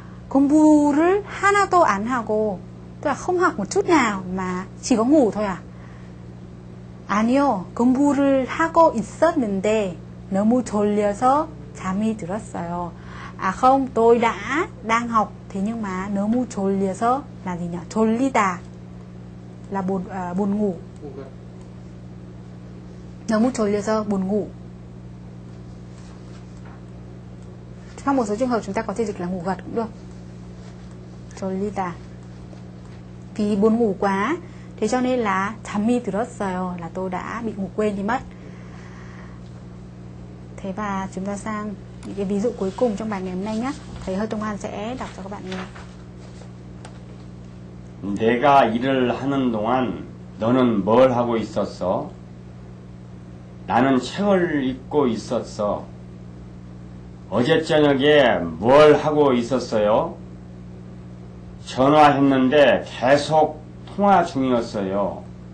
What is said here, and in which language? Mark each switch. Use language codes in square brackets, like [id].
[ko] 공부를 하나도 안 하고 [vi] tức là không học một chút nào mà chỉ có ngủ thôi à? [ko] 아니요, 공부를 하고 있었는데 너무 졸려서 잠이 들었어요. [vi] À không, tôi đã đang học thế nhưng mà [ko] 너무 졸려서 [vi] là gì nhỉ? [ko] 졸리다 [vi] là buồn buồn ngủ. [ko] 너무 졸려서 [vi] buồn ngủ. Trong một số trường hợp chúng ta có thể dịch là ngủ gật cũng được. [ko] 졸리다 [vi] vì buồn ngủ quá thế cho nên là [ko] 잠이 들었어요 [vi] là tôi đã bị ngủ quên đi mất. Thế và chúng ta sang những cái ví dụ cuối cùng trong bài ngày hôm nay nhé. Thầy Hơ Tông An sẽ đọc cho các bạn nghe. [ko] 내가 일을 하는 동안 너는 뭘 하고 있었어? 나는 책을 읽고 있었어. 어제 저녁에 뭘 하고 있었어요? 전화했는데 계속 통화 중이었어요.